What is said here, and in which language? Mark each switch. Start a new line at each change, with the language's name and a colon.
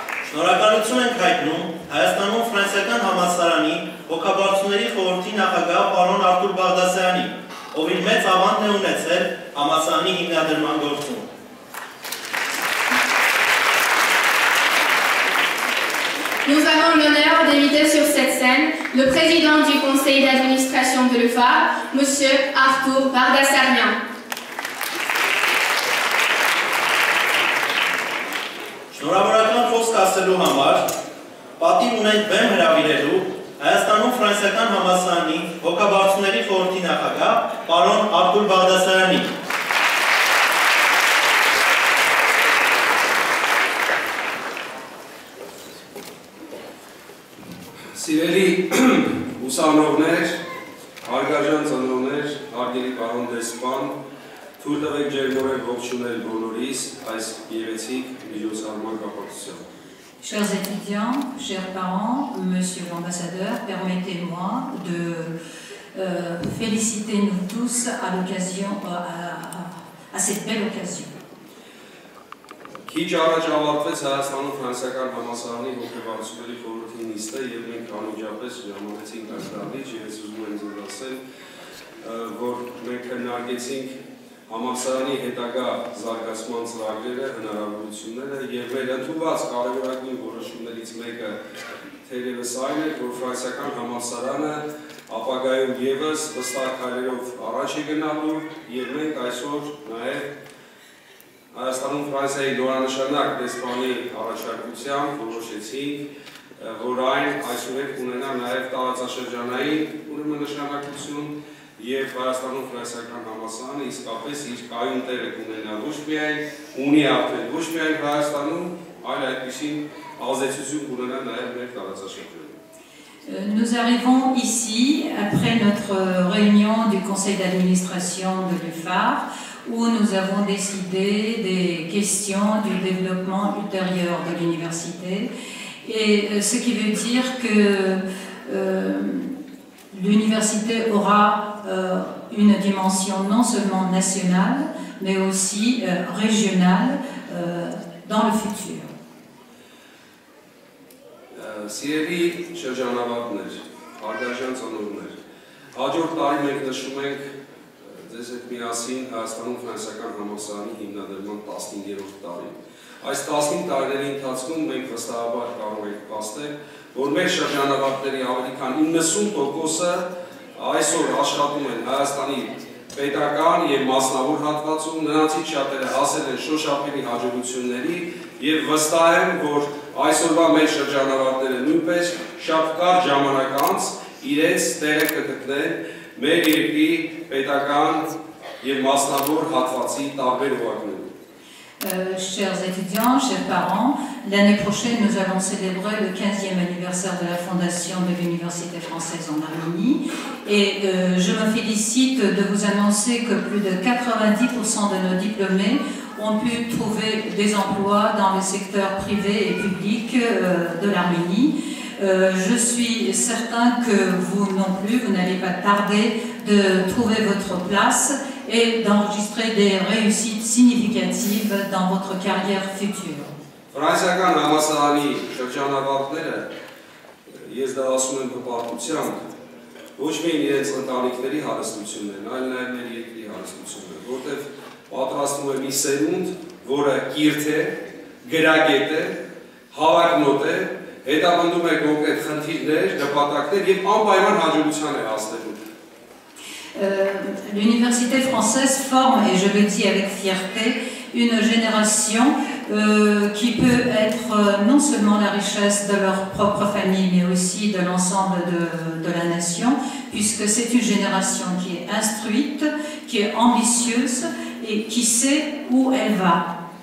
Armenian: Շնորհակալություն ենք հայտնում Հայաստանում ֆրանսիական համալսարանի հոգաբարձությունների խորհրդի նախագահ պարոն Արթուր Բաղդասարյանի, ով իր մեծ ավանդն է ունեցել համալսարանի հիմնադրման գործում։
French: Nous avons l'honneur d'inviter sur cette scène le président du conseil d'administration de l'UFAR, monsieur Arthur Bardassarian.
Armenian: Շնորհավորական խոսք ասելու համար պատիվ ունենք բեմ հրավիրելու Հայաստանում ֆրանսիական համալսարանի հոգաբարձությունների խորհրդի նախագահ պարոն Արթուր Բաղդասարյանի։ Սիրելի ուսանողներ, հարգարժան ծնողներ, հարգելի պարոն դեսպան, թույլ տվեք ջերմորեն ողջունել բոլորիս այս գեղեցիկ միջոցառման կապակցությամբ։
French: Chers étudiants, chers parents, monsieur l'ambassadeur, permettez-moi de féliciter nous tous à l'occasion, à cette belle occasion.
Armenian: Քիչ առաջ ավարտվեց Հայաստանում ֆրանսիական համալսարանի հոգեբարձությունների խորհրդի նիստը եւ մենք անմիջապես ժամանեցինք աշխատանքից եւ ուզում ենք ձեզ ասել, որ մենք քննարկեցինք համալսարանի հետագա զարգացման ծրագրերը, հնարավորությունները եւ մեր ընդունված կարևորագույն որոշումներից մեկը թերևս այն է, որ ֆրանսիական համալսարանը ապագայում եւս վստահ քայլերով առաջ է գնալու եւ մենք այսօր նաեւ Հայաստանում Ֆրանսիայի նորանշանակ դեսպանի առաջարկությամբ որոշեցինք, որ այն այսօրեք ունենա նաեւ տարածաշրջանային ուրեմն նշանակություն և Հայաստանում ֆրանսիական համալսարանը իսկապես իր կայուն տեղը կունենա ոչ միայն ունի արդեն ոչ միայն Հայաստանում, այլ այդպիսին ազդեցություն կունենա նաև մեր տարածաշրջանում։
French: Nous arrivons ici après notre réunion du conseil d'administration de l'UFAR où nous avons décidé des questions du développement ultérieur de l'université et ce qui veut dire que l'université aura une dimension non seulement nationale, mais aussi régionale dans le futur.
Armenian: Սիրելի շրջանավարտներ, հարգարժան ծնողներ, հաջորդ տարի մենք նշում ենք ձեզ հետ միասին Հայաստանում ֆրանսիական համալսարանի հիմնադրման 15-րդ տարին։ Այս 15 տարիների ընթացքում մենք վստահաբար կարող ենք ասել, որ մեր շրջանավարտների ավելի քան 90%-ը այսօր աշխատում են Հայաստանի պետական և մասնավոր հատվածում, նրանցից շատերը հասել են շոշափելի հաջողությունների և վստահ եմ, որ այսօրվա մեր շրջանավարտները նույնպես շատ կար ժամանակ անց իրենց տեղը կգտնեն մեր երկրի պետական և մասնավոր հատվածի տարբեր ուղակներում։
French: Chers étudiants, chers parents, l'année prochaine, nous allons célébrer le 15e anniversaire de la fondation de l'Université française en Arménie. Et je me félicite de vous annoncer que plus de 90% de nos diplômés ont pu trouver des emplois dans le secteur privé et public de l'Arménie. je suis certain que vous non plus, vous n'allez pas tarder de trouver votre place et d'enregistrer des réussites significatives dans votre carrière future.
Armenian: Ֆրանսիական համասարանի շրջանավարտները ես դասում եմ հպարտությամբ ոչ միայն իրենց ընտանիքների հարստություններն, այլ նաև մեր երկրի հարստությունը, որտեղ պատրաստում է մի սերունդ, որը կիրթ է, գրագետ է, հավակնոտ է, հետապնդում է կոնկրետ խնդիրներ, նպատակներ եւ անպայման հաջողության է հասնելու։
French: L'université française forme, et je le dis avec fierté, une génération qui peut être non seulement la richesse de leur propre famille, mais aussi de l'ensemble de la nation, puisque c'est une génération qui est instruite, qui est ambitieuse et qui sait où elle va.